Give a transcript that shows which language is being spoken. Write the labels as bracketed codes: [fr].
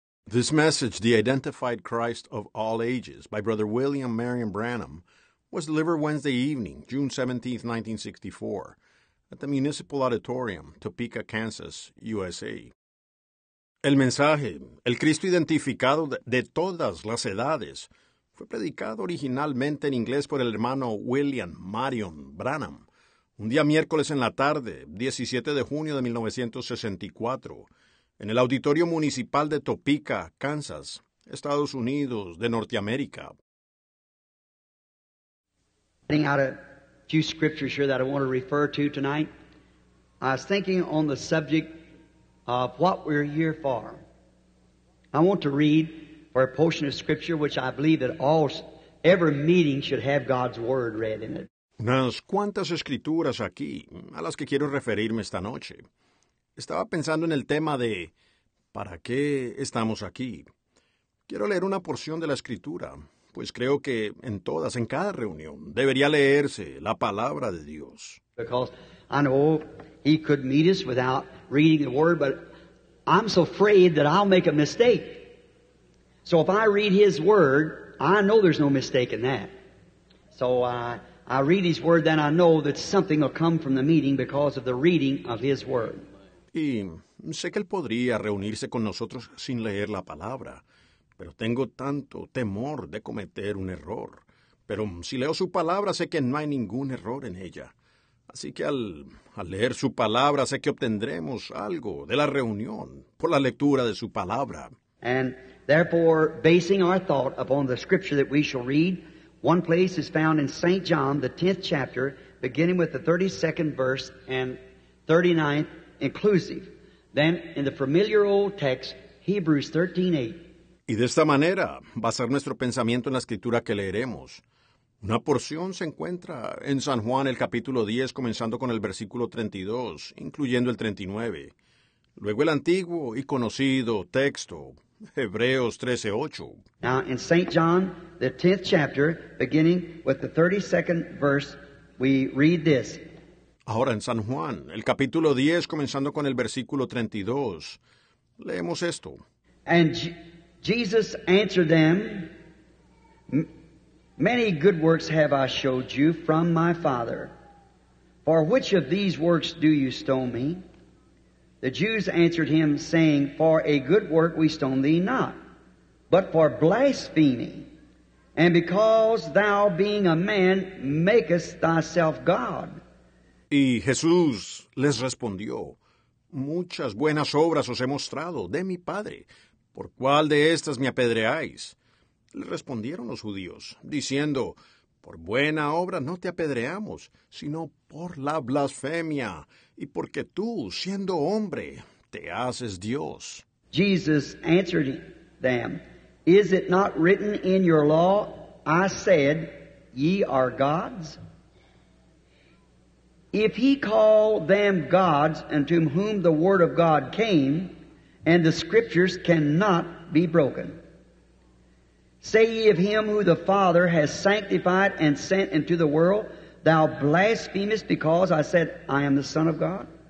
[en] This message, The Identified Christ of All Ages, by Brother William Marion Branham, was delivered Wednesday evening, June 17, 1964, at the Municipal Auditorium, Topeka, Kansas, USA. [es] El mensaje, El Cristo Identificado de Todas las Edades, fue predicado originalmente en inglés por el hermano William Marion Branham, un día miércoles en la tarde, 17 de junio de 1964, en el Auditorio Municipal de Topeka, Kansas, Estados Unidos de Norteamérica. [en] Writing out a few scriptures here that I want to refer to tonight. I was thinking on the subject of what we're here for. I want to read for a portion of scripture which I believe that all every meeting should have God's word read in it. [es] Unas cuantas escrituras aquí a las que quiero referirme esta noche. Estaba pensando en el tema de ¿para qué estamos aquí? Quiero leer una porción de la Escritura, pues creo que en todas, en cada reunión, debería leerse la Palabra de Dios. [en] Because I know he could meet us without reading the Word, but I'm so afraid that I'll make a mistake. So if I read his Word, I know there's no mistake in that. So I read his Word, then I know that something will come from the meeting because of the reading of his Word. [es] Y sé que él podría reunirse con nosotros sin leer la palabra, pero tengo tanto temor de cometer un error. Pero si leo su palabra, sé que no hay ningún error en ella. Así que al leer su palabra, sé que obtendremos algo de la reunión por la lectura de su palabra. [en] And therefore, basing our thought upon the scripture that we shall read, one place is found in St. John, the 10th chapter, beginning with the 32nd verse and 39th. Inclusive. Then, in the familiar old text, Hebrews 13:8. [es] Y de esta manera, basar nuestro pensamiento en la escritura que leeremos. Una porción se encuentra en San Juan, el capítulo 10, comenzando con el versículo 32, incluyendo el 39. Luego el antiguo y conocido texto, Hebreos 13:8. [en] Now, in St. John, the 10th chapter, beginning with the 32nd verse, we read this. [es] Ahora en San Juan, el capítulo 10, comenzando con el versículo 32, leemos esto. [en] And Jesus answered them, Many good works have I showed you from my Father. For which of these works do you stone me? The Jews answered him, saying, For a good work we stone thee not, but for blasphemy, and because thou being a man makest thyself God. [es] Y Jesús les respondió, Muchas buenas obras os he mostrado de mi Padre. ¿Por cuál de estas me apedreáis? Le respondieron los judíos, diciendo, Por buena obra no te apedreamos, sino por la blasfemia, y porque tú, siendo hombre, te haces Dios. [en] Jesus answered them, Is it not written in your law, I said, ye are gods? If he call them gods unto whom the word of God came, and the scriptures cannot be broken, say ye of him who the Father has sanctified and sent into the world, thou blasphemest because I said, I am the Son of God?